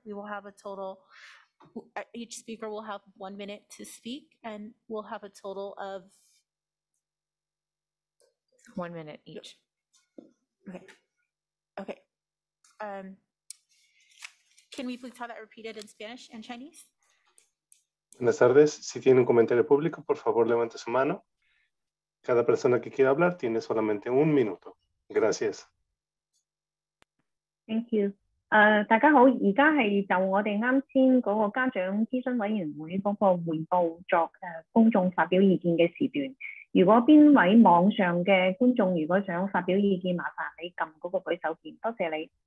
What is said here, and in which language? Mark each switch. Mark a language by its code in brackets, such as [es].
[en] We will have a total, each speaker will have 1 minute to speak, and we'll have a total of 1 minute each. Okay. Can we please have that repeated in Spanish and Chinese? [es] Buenas tardes. Si tiene un comentario público, por favor, levante su mano. Cada persona que quiera hablar tiene solamente un minuto. Gracias. [en] Thank you. [yue] 大家好，而家系就我哋啱先嗰个家长咨询委员会嗰个汇报作公众发表意见嘅时段。如果边位网上嘅观众如果想发表意见，麻烦你揿嗰个举手键，多谢你。